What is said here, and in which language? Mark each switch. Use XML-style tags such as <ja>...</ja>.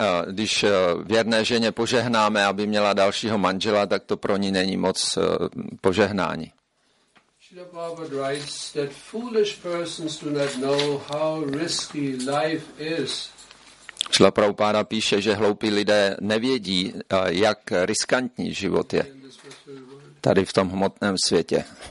<cs>Když věrné ženě požehnáme, aby měla dalšího manžela, tak to pro ní není moc požehnání.</cs> <en>Srila Prabhupada writes that foolish persons do not know how risky life is.</en> <cs>Srila Prabhupada píše, že hloupí lidé nevědí, jak riskantní život je tady v tom hmotném světě.</cs>